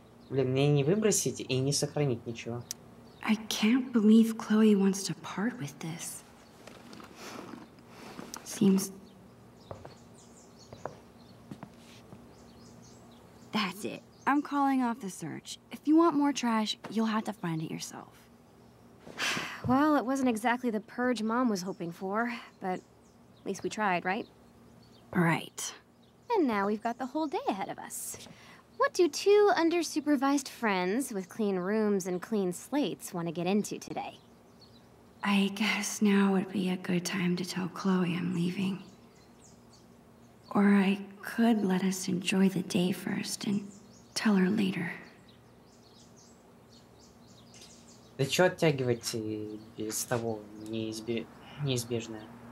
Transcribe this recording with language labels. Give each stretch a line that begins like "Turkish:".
Russian: Блин, мне не выбросить и не сохранить ничего.
English: I can't believe Chloe wants to part with this. Seems... That's it. I'm calling off the search. If you want more trash, you'll have to find it yourself. Well, it wasn't exactly the purge Mom was hoping for, but at least we tried, right? Right. And now we've got the whole day ahead of us. What do two under-supervised friends with clean rooms and clean slates want to get into today? I guess now would be a good time to tell Chloe I'm leaving. Or I could let us enjoy the day first and tell her later.
Russian: Да чё оттягивать без того неизбежное?